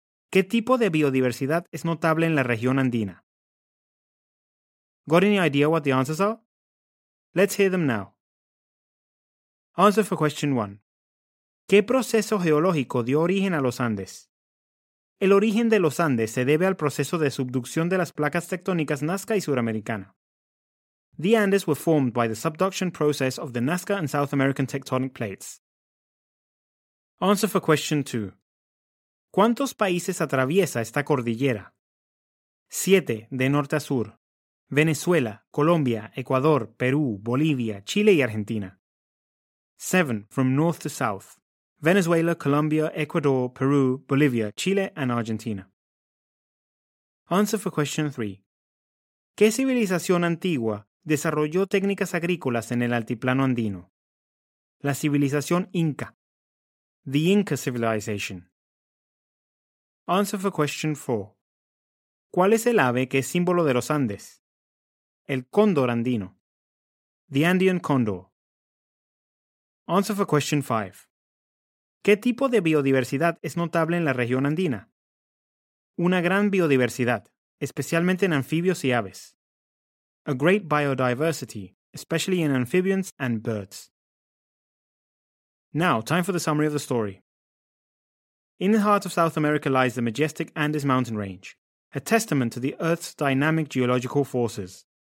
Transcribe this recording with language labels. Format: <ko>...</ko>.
<es>¿Qué tipo de biodiversidad es notable en la región andina?</es> <en>Got any idea what the answers are? Let's hear them now. Answer for question 1.</en> <es>¿Qué proceso geológico dio origen a los Andes? El origen de los Andes se debe al proceso de subducción de las placas tectónicas Nazca y Suramericana.</es> <en>The Andes were formed by the subduction process of the Nazca and South American tectonic plates. Answer for question 2.</en> <es>¿Cuántos países atraviesa esta cordillera? 7, de norte a sur. Venezuela, Colombia, Ecuador, Perú, Bolivia, Chile y Argentina.</es> <en>7, from north to south. Venezuela, Colombia, Ecuador, Peru, Bolivia, Chile, and Argentina. Answer for question 3.</en> <es>¿Qué civilización antigua desarrolló técnicas agrícolas en el altiplano andino? La civilización Inca.</es> <en>The Inca civilization. Answer for question 4.</en> <es>¿Cuál es el ave que es símbolo de los Andes? El cóndor andino.</es> <en>The Andean condor. Answer for question 5.</en> <es>¿Qué tipo de biodiversidad es notable en la región andina? Una gran biodiversidad, especialmente en anfibios y aves.</es> <en>A great biodiversity, especially in amphibians and birds. Now, time for the summary of the story. In the heart of South America lies the majestic Andes mountain range, a testament to the Earth's dynamic geological forces.</en>